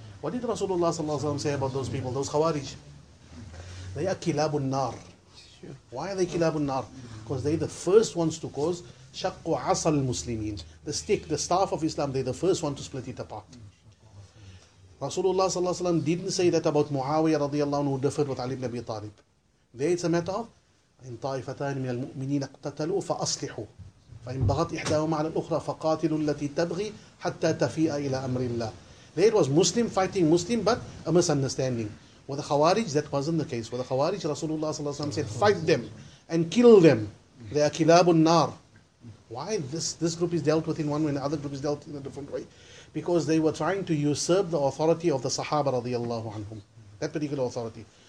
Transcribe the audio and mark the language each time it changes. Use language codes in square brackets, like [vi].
[en] What did Rasulullah sallallahu alayhi wa sallam say about those people, those khawarij? They are kilabun nar. Why are they kilabun nar? Because they're the first ones to cause shaqqu asal muslimin. The stick, the staff of Islam, they're the first one to split it apart. Rasulullah sallallahu alayhi wa sallam didn't say that about Muawiyah radiallahu anhu who differed with Ali ibn Abi Talib. There it's a matter of [ar] إن طائفتان من المؤمنين اقتتلوا فأصلحوا فإن بغت إحداهما على الأخرى فقاتلوا التي تبغي حتى تفيء إلى أمر الله. [en] There was Muslim fighting Muslim, but a misunderstanding. With the Khawarij, that wasn't the case. With the Khawarij, Rasulullah صلى الله عليه وسلم said, fight them and kill them. They are كلاب النار. Why this group is dealt with in one way and the other group is dealt in a different way? Because they were trying to usurp the authority of the Sahaba رضي الله عنهم. That particular authority.